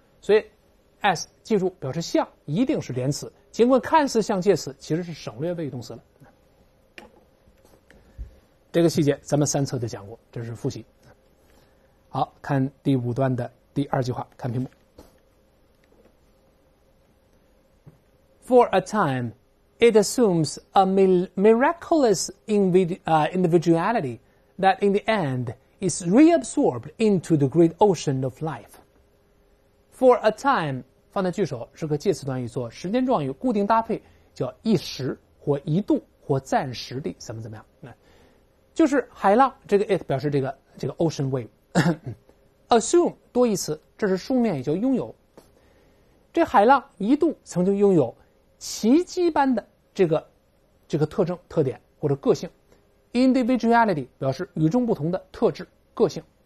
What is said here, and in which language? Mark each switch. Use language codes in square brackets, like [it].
[zh] 所以 ，as 记住表示像，一定是连词，尽管看似像介词，其实是省略谓语动词了。这个细节咱们三册都讲过，这是复习。好，看第五段的第二句话，看屏幕。 [en] For a time. It assumes a miraculous individuality that in the end is reabsorbed into the great ocean of life. For a time, [zh] 放在句首是个介词短语，做时间状语，固定搭配叫一时或一度或暂时的怎么怎么样。就是海浪，这个 it 表示这个 ocean wave. Assume 多义词，这是书面，也叫拥有。这海浪一度曾经拥有奇迹般的这个特征、特点或者个性 ，individuality 表示与众不同的特质、个性。